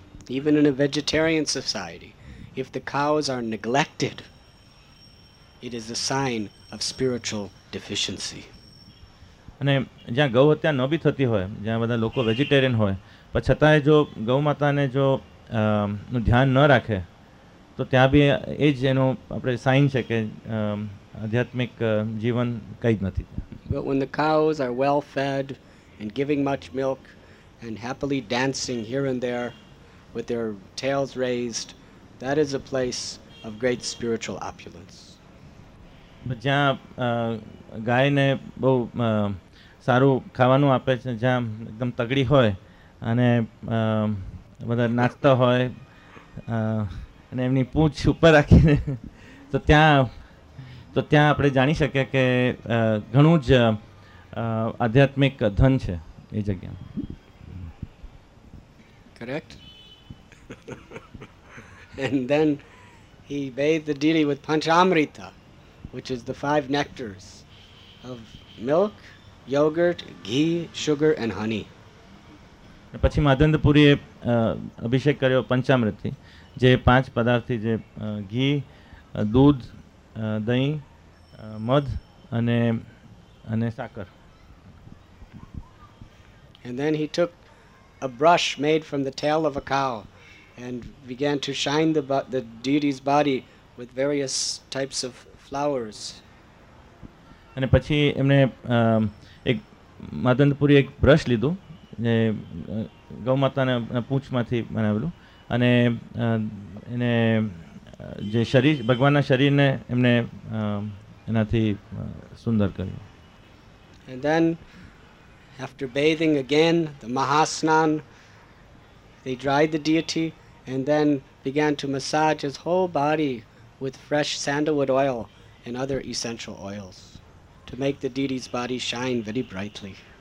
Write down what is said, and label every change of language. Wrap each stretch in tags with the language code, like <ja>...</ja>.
<en>Even in a vegetarian society, if the cows are neglected, it is a sign of spiritual deficiency.</en> <gu>અને જ્યાં ગૌ હત્યા ન બી થતી હોય, જ્યાં બધા લોકો વેજીટેરિયન હોય, પણ છતાંય જો ગૌ માતાને જો ધ્યાન ન રાખે, તો ત્યાં બી એ જ એનો આપણે સાઇન છે કે આધ્યાત્મિક જીવન કંઈ જ નથી.</gu> <en>But when the cows are well fed and giving much milk, and happily dancing here and there with their tails raised, that is a place of great spiritual opulence.</en> <gu>જ્યાં ગાયને બહુ સારું ખાવાનું આપે છે, જ્યાં એકદમ તગડી હોય અને બધા નાચતા હોય અને એમની પૂંછ ઉપર રાખીને, તો ત્યાં તો ત્યાં આપણે જાણી શકીએ કે ઘણું જ આધ્યાત્મિક ધન છે એ જગ્યામાં.</gu> <en>Correct? And then he bathed the deity with Panchamrita, which is the five nectars of milk, yogurt, ghee, sugar and honey.</en> <gu>પછી માધવેન્દ્રપુરીએ અભિષેક કર્યો પંચામૃતથી, જે પાંચ પદાર્થથી, જે ઘી, દૂધ, દહીં, મધ અને અને સાકર.</gu> <en>And then he took a brush made from the tail of a cow and began to shine the deity's body with various types of flowers.</en> <gu>અને પછી એમણે એક માધવેન્દ્રપુરી એક બ્રશ લીધું, જે ગૌ માતાના પૂંછમાંથી બનાવેલું, અને એને જે શરીર, ભગવાનના શરીરને એમણે એનાથી સુંદર કર્યું.</gu> <en>And then after bathing again, the Mahasnan, they dried the deity and then began to massage his whole body with fresh sandalwood oil and other essential oils to make the deity's body shine very brightly.</en>